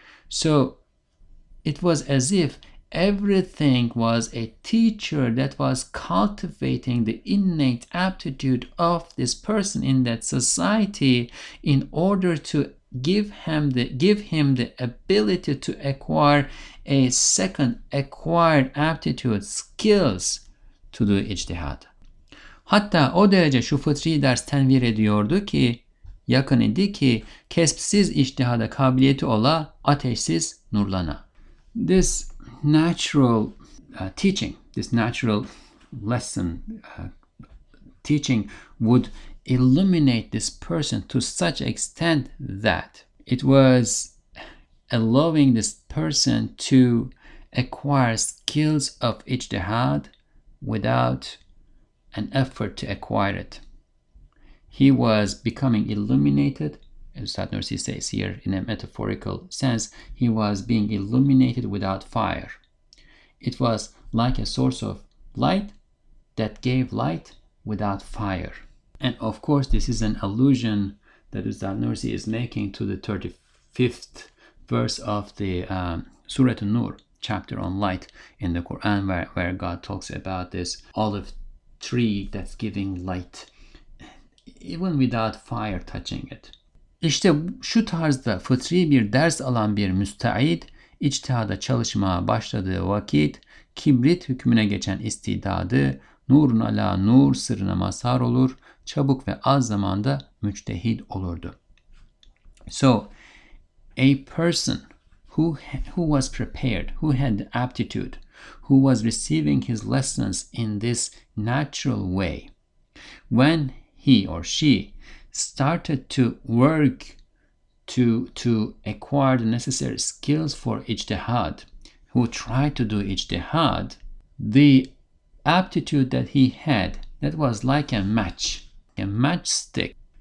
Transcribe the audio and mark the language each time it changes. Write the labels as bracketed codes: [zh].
[en] So it was as if everything was a teacher that was cultivating the innate aptitude of this person in that society in order to give him the ability to acquire a second acquired aptitude, skills to do ijtihad. [tr] Hatta o derece şu fıtri ders tenvir ediyordu ki, yakın idi ki, kesbsiz ijtihada kabiliyeti ola, ateşsiz nurlana. [en] This natural teaching, this natural lesson teaching would illuminate this person to such extent that it was allowing this person to acquire skills of ijtihad without an effort to acquire it. He was becoming illuminated, as Ustad Nursi says here in a metaphorical sense, he was being illuminated without fire. It was like a source of light that gave light without fire. And of course, this is an allusion that Ustad Nursi is making to the 35th verse of the Surah An-Nur, chapter on light in the Quran, where God talks about this olive tree that's giving light even without fire touching it. [tr] İşte şu tarzda fıtri bir ders alan bir müstaid, içtihada çalışmaya başladığı vakit, kibrit hükmüne geçen istidadı, nurun ala nur sırrına mazhar olur, çabuk ve az zamanda müçtehid olurdu. [en] So, a person who was prepared, who had the aptitude, who was receiving his lessons in this natural way, when he or she started to work to acquire the necessary skills for ijtihad, who tried to do ijtihad, the aptitude that he had, that was like a match, a matchstick.